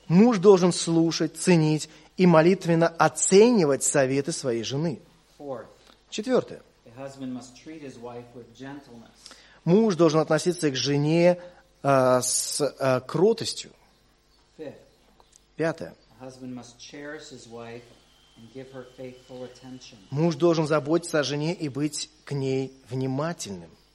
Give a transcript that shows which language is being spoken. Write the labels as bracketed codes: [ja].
[ru] Муж должен слушать, ценить и молитвенно оценивать советы своей жены. Четвертое. [en] A husband must treat his wife with gentleness. [ru] Муж должен относиться к жене кротостью. [en] Fifth. [ru] Пятое. [en] A husband must cherish his wife and give her faithful attention. [ru] Муж должен заботиться о жене и быть к ней внимательным.